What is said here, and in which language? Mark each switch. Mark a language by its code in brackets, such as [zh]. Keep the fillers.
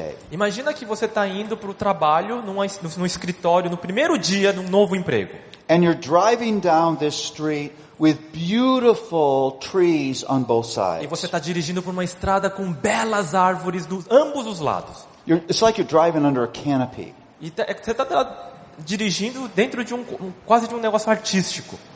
[pt] Imagina que você está indo para o trabalho no escritório no primeiro dia de novo emprego. [en] And you're driving down this street with beautiful trees on both sides. [pt] E você está dirigindo por uma estrada com belas árvores dos ambos os lados. [en] You're, it's like you're driving under a canopy. [pt] você está dirigindo dentro de um quase de um negócio artístico.